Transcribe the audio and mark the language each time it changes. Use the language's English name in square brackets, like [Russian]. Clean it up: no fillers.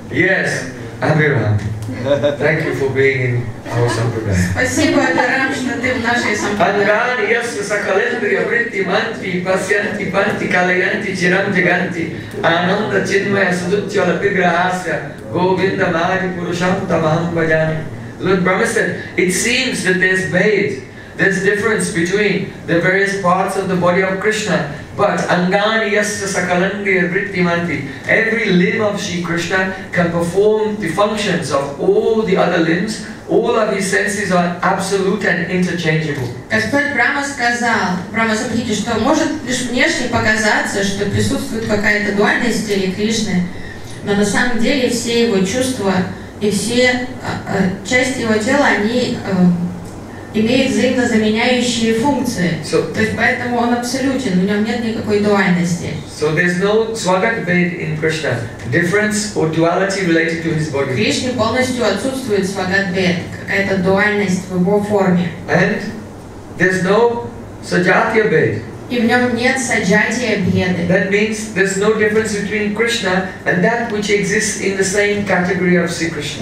[English] Yes, Abhiram. Thank you for being in our sampradaya. [Russian] Спасибо, Абхирам, что ты в нашей сампрадае. [Sanskrit] Андрани, яс, сакалендрия, вритти, мантви, пасянти, панти, калаянти, чирам, джиганти, ананда, чинмая, судуччо, лапигра, асья, говинда, мари, пурушанта, махам, баджани. [English] Lord Brahma said, it seems that there's bheda, there's difference between the various parts of the body of Krishna, but [Sanskrit] angani yasya sakalangya vritti manti, [English] every limb of Sri Krishna can perform the functions of all the other limbs. All of his senses are absolute and interchangeable. [Russian] Господь Брама сказал, Брама, смотрите, что может лишь внешне показаться, что присутствует какая-то дуальность или Кришны, но на самом деле все его чувства и все части его тела, они имеют взаимозаменяющие функции. [English] So, [Russian] то есть поэтому он абсолютен, в нем нет никакой дуальности. [English] So there's no swagat bheda in Krishna. Difference or duality related to his body. [Russian] В Кришне полностью отсутствует свагат бхед, какая-то дуальность в его форме. [English] And there's no саджатия бхед. [Russian] И в нем нет саджатия бхеды. [English] That means there's no difference between Krishna and that which exists in the same category of Sri Krishna.